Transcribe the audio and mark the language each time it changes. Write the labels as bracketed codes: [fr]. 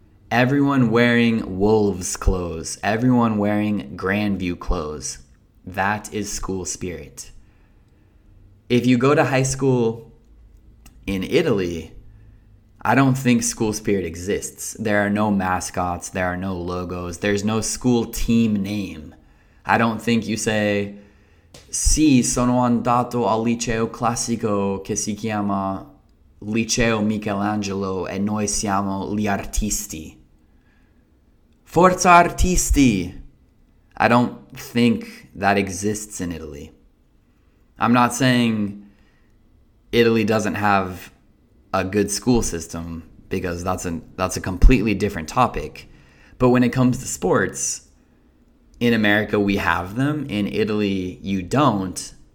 [en] Everyone wearing Wolves clothes, everyone wearing Grandview clothes, that is school spirit. If you go to high school in Italy, I don't think school spirit exists. There are no mascots, there are no logos, there's no school team name. I don't think you say, [it] "Sì, sono andato al liceo classico che si chiama Liceo Michelangelo e noi siamo gli artisti. Forza artisti!" [en] I don't think that exists in Italy. I'm not saying Italy doesn't have a good school system, because that's a completely different topic. But when it comes to sports, in America we have them, in Italy you don't.